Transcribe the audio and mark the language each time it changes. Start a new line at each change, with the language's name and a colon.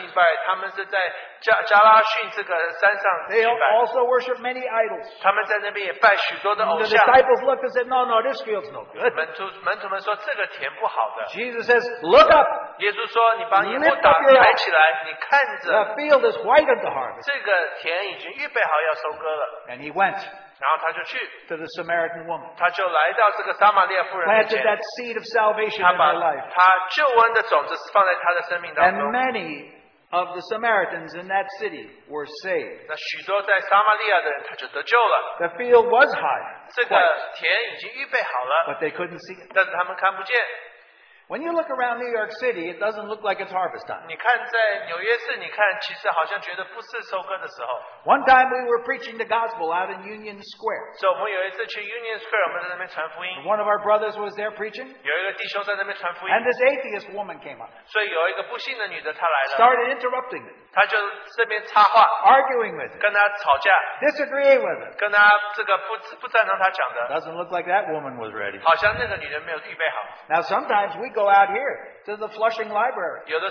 Chinese: 他们不是在耶路撒冷敬拜,他们是在加拉逊这个山上敬拜。
English: They also worship many idols.
Chinese: 他们在那边也拜许多的偶像。
English: The disciples looked and said, no, no, this field's no good.
Chinese: 门徒们说,这个田不好的。
English: Jesus says, look up.
Chinese: 耶稣说,你把眼目打开起来,你看着。
English: The field is white at the harvest.
Chinese: 这个田已经预备
English: And he went
Chinese: 然后他就去,
English: to the Samaritan woman.
Chinese: 他就来到这个撒玛利亚妇人面前,
English: planted that seed of salvation
Chinese: 他把,
English: in her life.
Chinese: 他救恩的种子放在他的生命当中,
English: and many of the Samaritans in that city were saved.
Chinese: 那许多在撒玛利亚的人他就得救了。
English: The field was high,
Chinese: 这个田已经预备好了,
English: but they couldn't see it.
Chinese: 但是他们看不见。
English: When you look around New York City, it doesn't look like it's harvest time.
Chinese: 你看在纽约市,你看其实好像觉得不是收割的时候。
English: One time we were preaching the gospel out in Union Square.
Chinese: 所以我们有一次去Union Square,我们在那边传福音。
English: One of our brothers was there preaching.
Chinese: 有一个弟兄在那边传福音。
English: And this atheist woman came up.
Chinese: 所以有一个不信的女的她来了。
English: Started interrupting it.
Chinese: 她就这边插话,
English: arguing with it.
Chinese: 跟她吵架,
English: disagreeing with it.
Chinese: 跟她这个不赞同她讲的。
English: Doesn't look like that woman was ready.
Chinese: 好像那个女人没有预备好。
English: Now sometimes we go out here to the Flushing Library.